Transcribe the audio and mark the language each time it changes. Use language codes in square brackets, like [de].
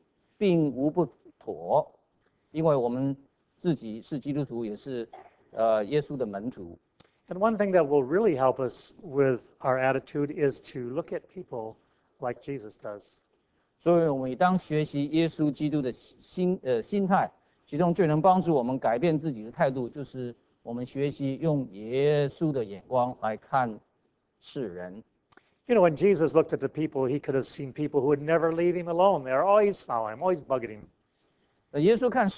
[zh] 所以我觉得用谦卑和受苦来描述基督处事的态度，并无不妥。因为我们自己是基督徒，也是耶稣的门徒。 [en] And one thing that will really help us with our attitude is to look at people like Jesus does. [zh] 所以我们当学习耶稣基督的心态，其中最能帮助我们改变自己的态度，就是我们学习用耶稣的眼光来看世人。 [en] You know, when Jesus looked at the people, he could have seen people who would never leave him alone. They are always following him, always bugging him.